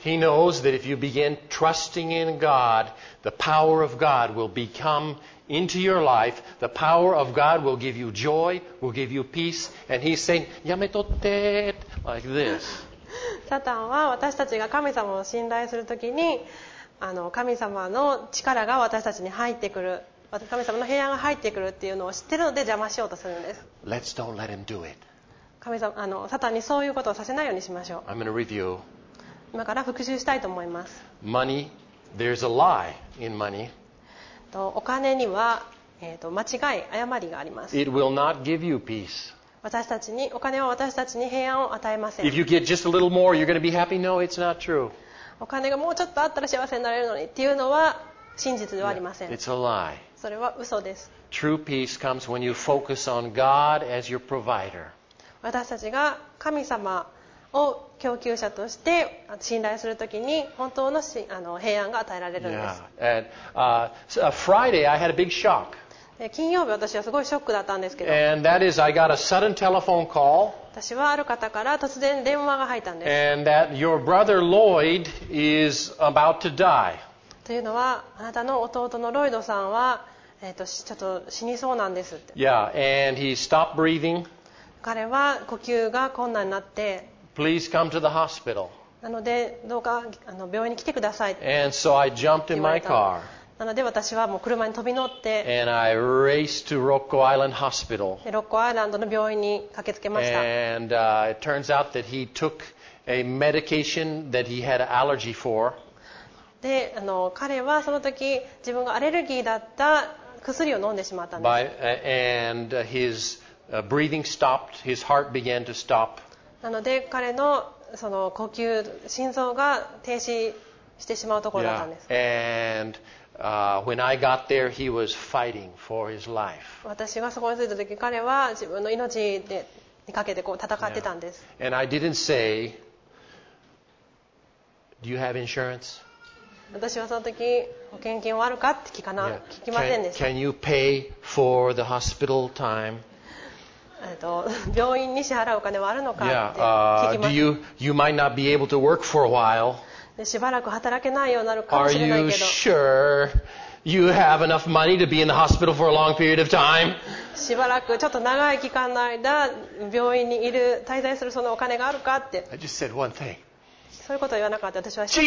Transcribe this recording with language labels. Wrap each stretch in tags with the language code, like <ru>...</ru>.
<en>He knows that if you begin trusting in God, the power of God will become into your life. The power of God will give you joy, will give you peace. And he's saying,</en> <ja>やめとって</ja> <en>like this.</en> <ja>サタンは私たちが神様を信頼するときに神様の力が私たちに入ってくる、神様の平安が入ってくるっていうのを知ってるので邪魔しようとするんです。</ja> <en>Let's don't let him do it.</en> <ja>神様、サタンにそういうことをさせないようにしましょう。</ja> <en>I'm going to review.</en> <ja>今から復習したいと思います。</ja> <en>Money, there's a lie in money.</en> <ja>お金には、間違い、誤りがあります。</ja> <en>It will not give you peace.</en> <ja>私たちに、お金は私たちに平安を与えません。</ja> <en>If you get just a little more, you're going to be happy. No, it's not true.</en> <ja>お金がもうちょっとあったら幸せになれるのにっていうのは真実ではありません。</ja> <en>It's a lie.</en> <ja>それは嘘です。</ja> <en>True peace comes when you focus on God as your provider.</en> <ja>私たちが神様を供給者として信頼するときに本当 の, 平安が与えられるんです。</ja> <en>Yeah. And, Friday I had a big shock.</en> <ja>金曜日私はすごいショックだったんですけど。</ja> <en>And that is I got a sudden telephone call.</en> <ja>私はある方から突然電話が入ったんです。</ja> <en>And that your brother Lloyd is about to die.</en> <ja>というのは、あなたの弟のロイドさんは、ちょっと死にそうなんですって。</ja> <en>Yeah, and he stopped breathing.</en> <ja>彼は呼吸が困難になって。</ja> <en>Please come to the hospital.</en> <ja>なので、どうか病院に来てください。</ja> <en>And so I jumped in my car.</en> <ja>なので、私はもう車に飛び乗って。</ja> <en>And I raced to Rocco Island Hospital.</en> <ja>ロッコアイランドの病院に駆けつけました。</ja> <en>And it turns out that he took a medication that he had an allergy for.</en> <ja>で彼はその時自分がアレルギーだった薬を飲んでしまったんです。</ja> <en>And his breathing stopped, his heart began to stop.</en> <ja>なので彼のその呼吸、心臓が停止してしまうところだったんです。</ja> <en>Yeah. And when I got there, he was fighting for his life.</en> <ja>私がそこに着いた時、彼は自分の命にかけてこう戦ってたんです。</ja> <en>Yeah. And I didn't say, Do you have insurance?</en> <ja>私はその時保険金はあるかって聞きませんでした。</ja> <en>Can you pay for the hospital time?</en> <ja>病院に支払うお金はあるのかって聞きません。</ja> <en>You might not be able to work for a while.</en> <ja>でしばらく働けないようになるかもしれないけど。</ja> <en>Are you sure you have enough money to be in the hospital for a long period of time?</en> <ja>しばらくちょっと長い期間の間病院にいる滞在するそのお金があるかって。</ja> <en>I just said one thing.</en> <ja>そういうことを言わなかった。私は一つだけ</ja>